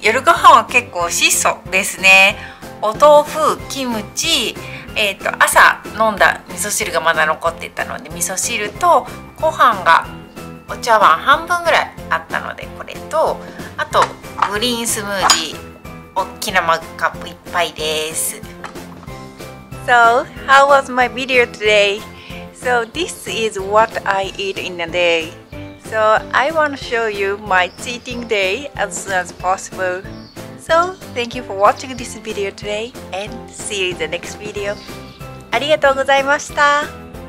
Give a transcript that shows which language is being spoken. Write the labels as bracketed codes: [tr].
[ja] 夜ご飯は結構質素ですね。お豆腐、キムチ、朝飲んだ味噌汁がまだ残っていたので味噌汁と、ご飯がお茶碗半分ぐらいあったのでこれと、あとグリーンスムージー、大きなマグカップいっぱいです。 [en] So, how was my video today? So, this is what I eat in a day. So, I want to show you my cheating day as soon as possible. So, thank you for watching this video today and see you in the next video. [ja] ありがとうございました。